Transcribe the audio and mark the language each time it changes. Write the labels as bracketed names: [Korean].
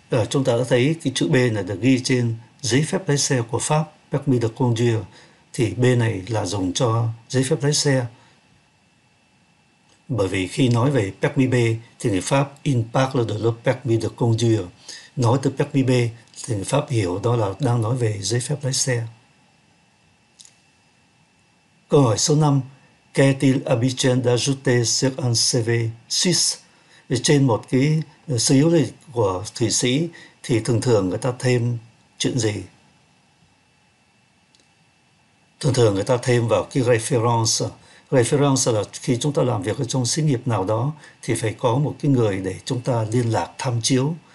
[Vietnamese] Chúng ta đã thấy cái chữ B này được ghi trên giấy phép lái xe của Pháp, permis de conduire, thì B này là dùng cho giấy phép lái xe. Bởi vì khi nói về permis B thì người Pháp [French] in parle de le permis de conduire. [Vietnamese] Nói từ permis B thì người Pháp hiểu đó là đang nói về giấy phép lái xe. Câu hỏi số 5, [French] qu'est-il habituel d'ajouter sur un CV suisse? [Vietnamese] Trên một cái sứ yếu lịch của Thụy Sĩ thì thường thường người ta thêm chuyện gì? Thường thường người ta thêm vào cái référence. Référence là khi chúng ta làm việc ở trong xí nghiệp nào đó thì phải có một cái người để chúng ta liên lạc tham chiếu.